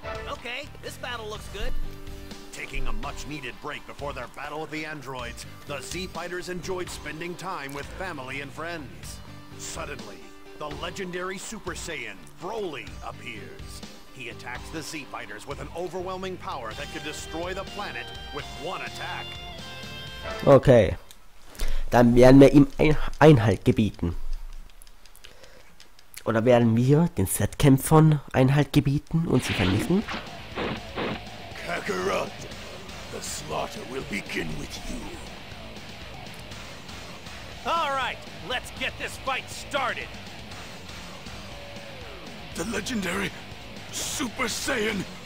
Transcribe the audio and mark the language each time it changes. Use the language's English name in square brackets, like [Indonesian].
[English] Okay, this battle looks good. Taking a much needed break before their battle with the androids, the Z Fighters enjoyed spending time with family and friends. Suddenly, the legendary Super Saiyan Broly appears. He attacks the Z-Fighters with an overwhelming power that could destroy the planet with one attack. Okay. [German] Dann werden wir ihm Einhalt gebieten. Oder werden wir den Z-Kämpfern Einhalt gebieten und sie vernichten? [English] Kakarot, the slaughter will begin with you. All right, let's get this fight started. The legendary Super Saiyan!